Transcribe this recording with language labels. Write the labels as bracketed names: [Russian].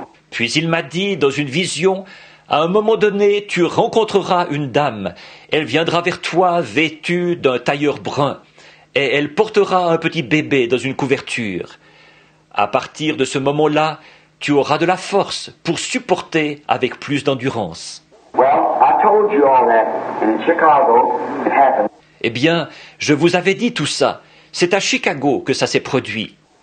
[French] Puis il m'a dit dans une vision, à un moment donné, tu rencontreras une dame. Elle viendra vers toi vêtue d'un tailleur brun et elle portera un petit bébé dans une couverture. À partir de ce moment-là, tu auras de la force pour supporter avec plus d'endurance. [English] Well, I told you all that. And in Chicago, it happened. [French] Eh bien, je vous avais dit tout ça. C'est à Chicago que ça s'est produit.